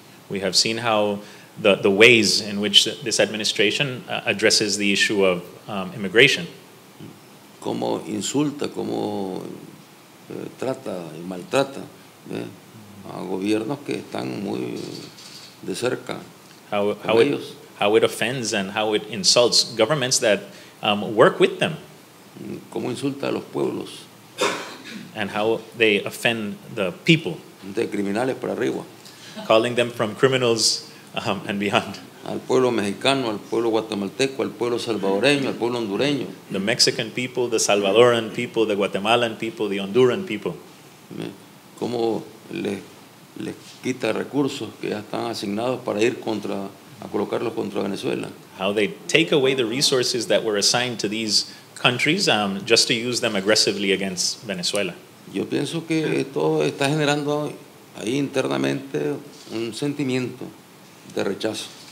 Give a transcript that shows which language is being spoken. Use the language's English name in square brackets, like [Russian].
[English] We have seen how the ways in which this administration addresses the issue of immigration. [Spanish] Cómo insulta, cómo trata y maltrata a gobiernos que están muy de cerca. [English] How it offends and how it insults governments that work with them. [Spanish] Cómo insulta a los pueblos. [English] And how they offend the people. [Spanish] De criminales para arriba. [English] Calling them from criminals and beyond. [Spanish] Al pueblo mexicano, al pueblo guatemalteco, al pueblo salvadoreño, al pueblo hondureño. [English] The Mexican people, the Salvadoran people, the Guatemalan people, the Honduran people. [Spanish] Cómo les quita recursos que ya están asignados para ir a colocarlos contra Venezuela. [English] How they take away the resources that were assigned to these countries just to use them aggressively against Venezuela. [Spanish] Yo pienso que esto está generando ahí internamente un sentimiento de rechazo.